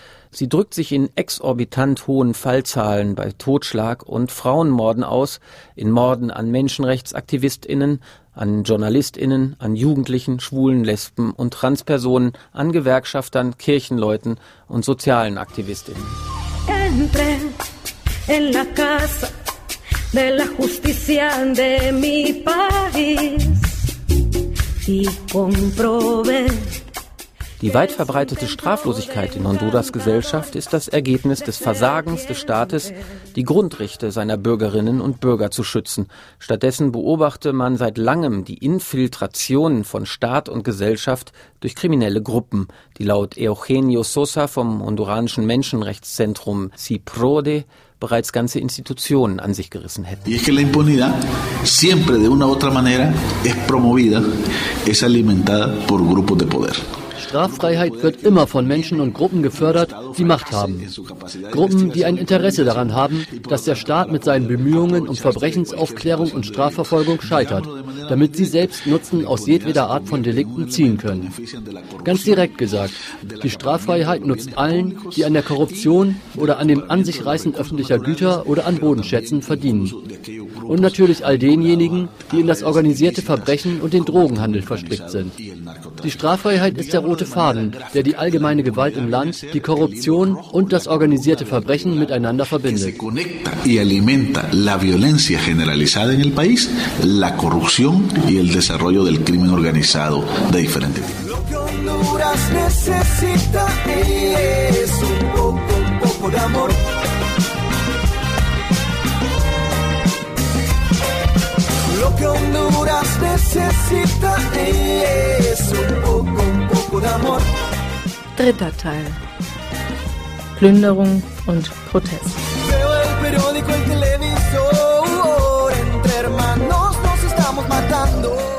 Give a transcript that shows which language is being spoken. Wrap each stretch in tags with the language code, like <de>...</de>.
<de>Sie drückt sich in exorbitant hohen Fallzahlen bei Totschlag und Frauenmorden aus, in Morden an MenschenrechtsaktivistInnen, an JournalistInnen, an Jugendlichen, Schwulen, Lesben und Transpersonen, an Gewerkschaftern, Kirchenleuten und sozialen AktivistInnen.</de> <es>Entré en la casa de la justicia de mi país y comprobé.</es> <de>Die weit verbreitete Straflosigkeit in Honduras Gesellschaft ist das Ergebnis des Versagens des Staates, die Grundrechte seiner Bürgerinnen und Bürger zu schützen. Stattdessen beobachte man seit langem die Infiltration von Staat und Gesellschaft durch kriminelle Gruppen, die laut Eugenio Sosa vom honduranischen Menschenrechtszentrum CIPRODE bereits ganze Institutionen an sich gerissen hätten.</de> <es>Y es que la impunidad siempre de una otra manera es promovida, es alimentada por grupos de poder.</es> <de>Straffreiheit wird immer von Menschen und Gruppen gefördert, die Macht haben. Gruppen, die ein Interesse daran haben, dass der Staat mit seinen Bemühungen um Verbrechensaufklärung und Strafverfolgung scheitert, damit sie selbst Nutzen aus jedweder Art von Delikten ziehen können. Ganz direkt gesagt, die Straffreiheit nutzt allen, die an der Korruption oder an dem Ansichreißen öffentlicher Güter oder an Bodenschätzen verdienen. Und natürlich all denjenigen, die in das organisierte Verbrechen und den Drogenhandel verstrickt sind. Die Straffreiheit ist der rote Faden, der die allgemeine Gewalt im Land, die Korruption und das organisierte Verbrechen miteinander verbindet.</de> <es>Y alimenta la violencia generalizada en el país, la corrupción y el desarrollo del crimen organizado de diferente. Lo que Honduras necesita es un poco de amor. Lo que Honduras necesita es un poco de amor.</es> <de>Dritter Teil. Plünderung und Protest.</de> <es>Veo el periódico, el televisor, entre hermanos nos estamos matando.</es>